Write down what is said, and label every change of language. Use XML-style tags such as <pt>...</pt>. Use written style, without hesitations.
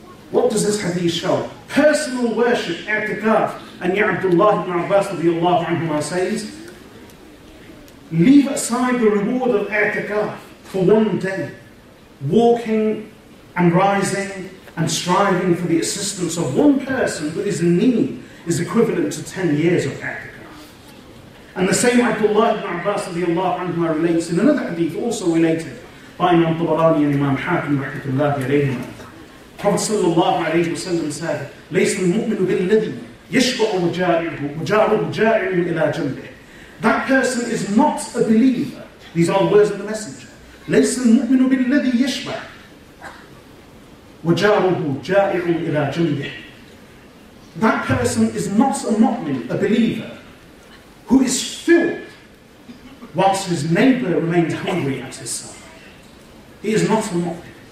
<en>What does this hadith show? Personal worship, i'tikaf, and Ya Abdullah ibn Abbas radiallahu anhuma says, leave aside the reward of i'tikaf for one day, walking and rising and striving for the assistance of one person who is in need is equivalent to 10 years of i'tikaf. And the same Abdullah ibn Abbas radiallahu anhu relates in another hadith also related by Imam Tabarani and Imam Hakim rahmatullahi alayhim. Prophet sallallahu alayhi wa sallam said,</en> <ar>لَيْسَ الْمُؤْمِنُ بِالَّذِي يَشْبَعُ وَجَاعِرُهُ جَاعِرٌ إِلَىٰ جَنْبِهِ.</ar> <en>That person is not a believer. These are the words of the Messenger.</en> <ar>لَيْسَ الْمُؤْمِنُ بِالَّذِي يَشْبَعُ وَجَارُهُ جَائِعٌ إِلَىٰ جُنْدِهِ.</ar> <en>That person is not a mu'min, a believer, who is filled whilst his neighbour remains hungry at his side. He is not a mu'min.</en>